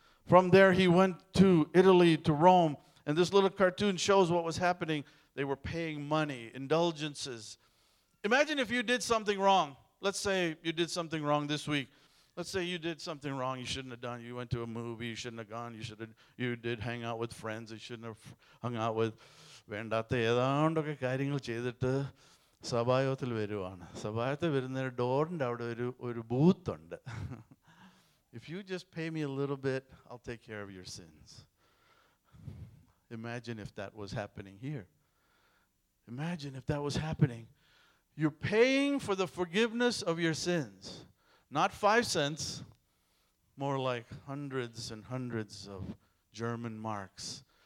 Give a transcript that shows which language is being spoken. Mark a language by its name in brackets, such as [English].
[English] From there, he went to Italy, to Rome. And this little cartoon shows what was happening. They were paying money, indulgences. Imagine if you did something wrong. Let's say you did something wrong this week. Let's say you did something wrong you shouldn't have done. You went to a movie you shouldn't have gone. You did hang out with friends you shouldn't have hung out with. [Malayalam] വേണ്ടാത്ത ഏതാണ്ടൊക്കെ കാര്യങ്ങൾ ചെയ്തിട്ട് സഭായോഗത്തിൽ വരുവാണ്. സഭായത്തിൽ വരുന്നതിന് ഡോറിൻ്റെ അവിടെ ഒരു booth ഉണ്ട്. [English] If you just pay me a little bit, I'll take care of your sins. Imagine if that was happening here. Imagine if that was happening. You're paying for the forgiveness of your sins. Not 5 cents, more like hundreds and hundreds of German marks.